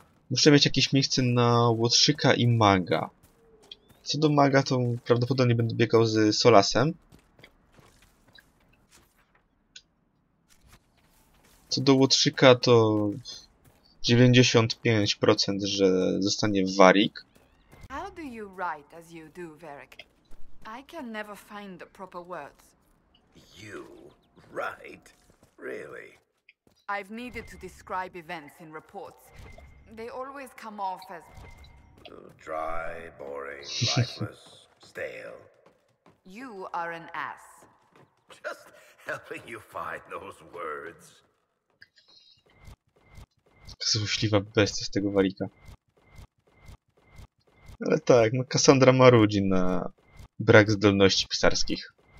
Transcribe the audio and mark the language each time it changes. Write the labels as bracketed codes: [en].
[pl] Muszę mieć jakieś miejsce na łotrzyka i maga. Co do maga, to prawdopodobnie będę biegał z Solasem. Co do łotrzyka, to 95%, że zostanie Varric. [en] How do you write as you do, Varric? I can never find the proper words. You write? Really? I've needed to describe events in reports. They always come off as dry, boring, lifeless, stale. You are an ass. Just helping you find those words. [pl] Złośliwa bestia z tego Varrica. Ale tak, no Cassandra marudzi na brak zdolności pisarskich.